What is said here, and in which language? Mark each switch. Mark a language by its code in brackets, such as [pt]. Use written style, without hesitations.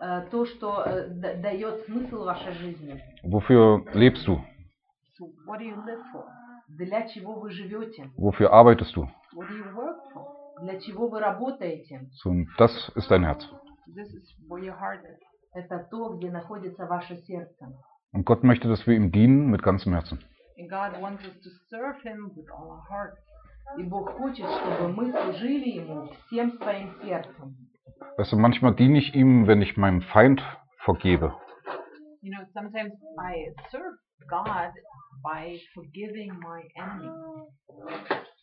[ru] То, что дает смысл вашей жизни. [de] Wofür lebst du? [en] So what do you live for? [ru] Для чего вы живете? [de] Wofür arbeitest du? [en] What do you work for? [ru] Для чего вы работаете? [de] So, das ist dein Herz. [en] This is where your heart is. [ru] Это то, где находится ваше сердце. [de] Und Gott möchte, dass wir ihm dienen mit ganzem Herzen. [en] And God wants us to serve him with all our heart. [ru] И Бог хочет, чтобы мы служили ему всем своим сердцем. [de] Weißt du, manchmal diene ich ihm, wenn ich meinem Feind vergebe. [en] You know, sometimes I serve God by forgiving my enemy.